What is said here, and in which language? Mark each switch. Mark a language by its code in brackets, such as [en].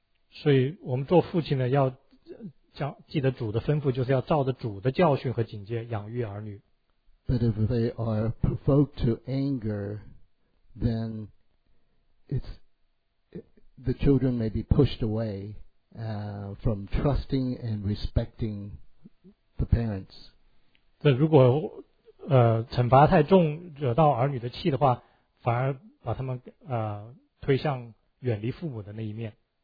[zh] 所以我们做父亲的要记得主的吩咐，就是要照着主的教训和警戒养育儿女。 [en] But if they are provoked to anger, then the children may be pushed away from trusting and respecting the parents. [zh] 这如果惩罚太重，惹到儿女的气的话，反而把他们推向远离父母的那一面。